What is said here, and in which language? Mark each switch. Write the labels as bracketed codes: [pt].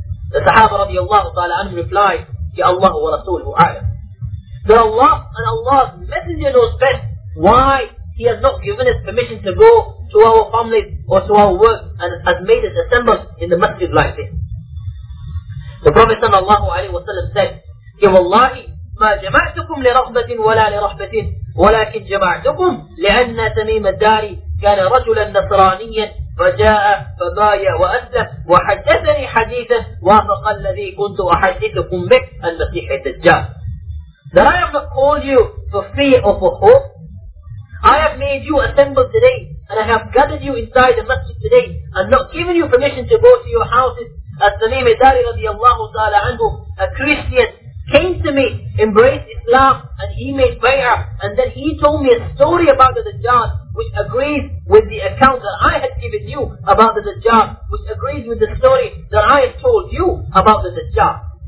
[en] The Sahaba radiallahu ta'ala anhu replied, [ar] Ya Allah wa Rasuluhu A'lam. [en] That Allah and Allah's Messenger knows best why He has not given us permission to go to our family or to our work and has made us assemble in the masjid like this. The Prophet sallallahu alayhi wa sallam said, [ar] كَوَاللَّهِ مَا جَمَعْتُكُمْ لِرَغْبَةٍ وَلَا لِرَحْبَةٍ وَلَكِنْ جَمَعْتُكُمْ لِأَنَّ تَمِيمَ الدَّارِ كَانَ رَجُلًا نَصْرَانِيًّا فَجَاءَ فَبَايَ وَأَسْلَمْ وَحَدَّثَنِي حَدِيثًا وَافَقَ الَّذِي كُنْتُ أَحَدِّثُكُمْ بِكْ المسيح الدجال. [en] That I have not called you for fear or for hope. I have made you assemble today and I have gathered you inside the masjid today and not given you permission to go to your houses. As Salim Idari radiallahu ta'ala anhu, a Christian, came to me, embraced Islam, and he made bay'ah, and then he told me a story about the Dajjal, which agrees with the account that I had given you about the Dajjal, which agrees with the story that I had told you about the Dajjal.